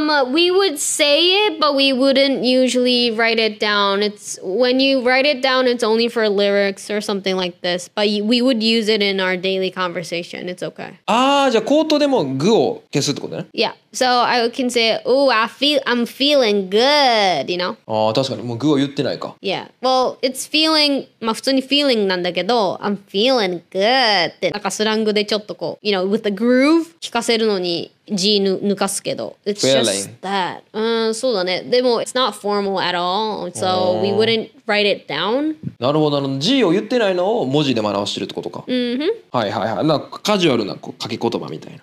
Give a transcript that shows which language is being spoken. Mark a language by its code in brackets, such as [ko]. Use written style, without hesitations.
[en] We would say it but we wouldn't usually write it down it's when you write it down it's only for lyrics or something like this but we would use it in our daily conversationIt's okay. [ja] ああ、じゃあコートでもグを消すってことね。 [en] Yeah. So I can say, oh, I'm feeling good, you know? [ja] ああ、確かに。もうグを言ってないか。 [en] Yeah. Well, it's feeling, [ja] まあ普通に [en] feeling [ja] なんだけど、 [en] I'm feeling good って、 [ja] なんかスラングでちょっとこう、 [en] you know, with the groove [ja] 聞かせるのに G 抜かすけど。 [en] It's、 feeling. Just that. [ja] そうだね。でも、 [en] it's not formal at all, so we wouldn't write it down. [ja] なるほど、あの G を言ってないのを文字で表してるってことか。うん。はいはいはい。なんかカジュアルな書き言葉みたいな。